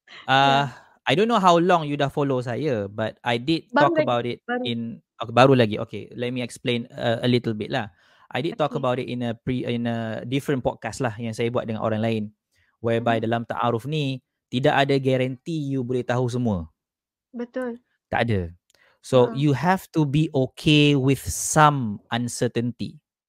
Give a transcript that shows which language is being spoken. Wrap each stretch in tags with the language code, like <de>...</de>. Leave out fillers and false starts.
<en>I don't know how long you</en> <ms>dah</ms> <en>follow</en> <ms>saya,</ms> <en>but I did talk about it Okay, let me explain a little bit lah. I did talk about it in a different podcast lah</en> <ms>yang saya buat dengan orang lain. Whereby dalam ta'aruf ni, tidak ada guarantee you boleh tahu semua. Betul. Tak ada.</ms> <en>So you have to be okay with some uncertainty.</en>